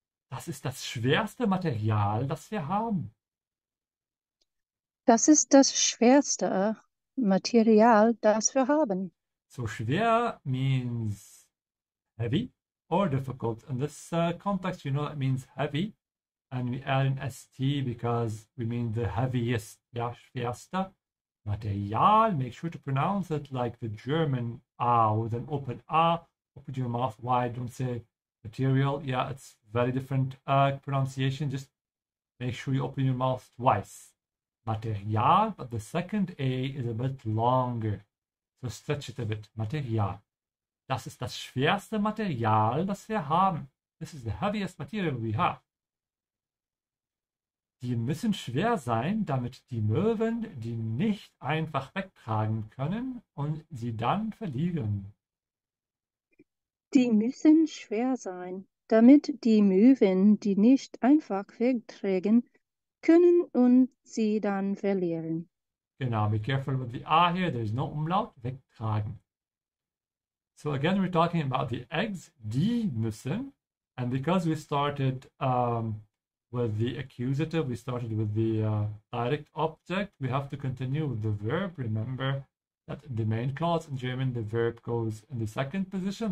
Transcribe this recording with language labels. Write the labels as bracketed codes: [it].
[de] Das ist das schwerste Material, das wir haben. Das ist das schwerste Material, das wir haben. [en] So schwer means heavy or difficult. In this context, you know, it means heavy. And we add an ST because we mean the heaviest, ja, [de] schwerste Material. [en] Make sure to pronounce it like the German A with an open A. Open your mouth wide, don't say material. Yeah, it's very different pronunciation. Just make sure you open your mouth twice. Material, but the second A is a bit longer. So stretch it a bit. Material. [de] Das ist das schwerste Material, das wir haben. [en] This is the heaviest material we have. [de] Die müssen schwer sein, damit die Möwen die nicht einfach wegtragen können und sie dann verlieren. Die müssen schwer sein, damit die Möwen die nicht einfach wegtragen können und sie dann verlieren. [en] Genau, be careful with the A here, there is no Umlaut, wegtragen. So again we're talking about the eggs, [de] die müssen, [en] and because we started with the accusative, we started with the direct object, we have to continue with the verb. Remember that the main clause in German, the verb goes in the second position.